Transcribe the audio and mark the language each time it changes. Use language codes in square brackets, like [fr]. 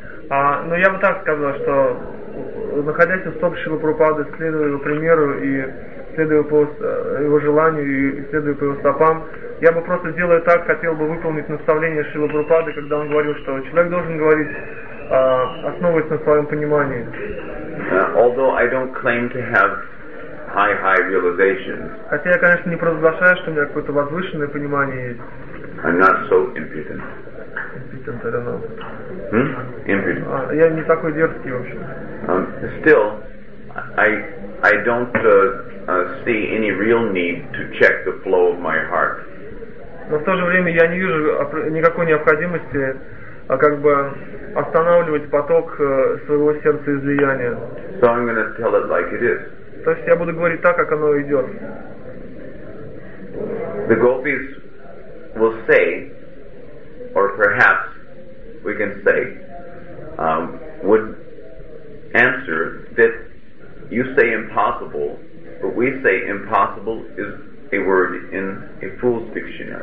[ru] Но я бы так сказал, что находясь у стоп Шрилы Прабхупады, следуя его примеру и следуя по его желанию и следуя по его стопам, я бы просто делая так, хотел бы выполнить наставление Шрилы Прабхупады, когда он говорил, что человек должен говорить, основываясь на своем понимании. [en] Although I don't claim to have high realizations. [ru] Хотя я, конечно, не провозглашаю, что у меня какое-то возвышенное понимание есть. [en] I'm not so impudent. Impudent, I don't know. Impudent. [ru] Я не такой дерзкий, в общем. [en] Still, I don't see any real need to check the flow of my heart. [ru] но в то же время я не вижу никакой необходимости как бы останавливать поток своего сердца излияния. [en] So I'm gonna tell it like it is. [ru] То есть я буду говорить так, как оно идет. [en] The gopis will say, or perhaps we can say, would answer that you say impossible, but we say impossible is a word in a fool's dictionary.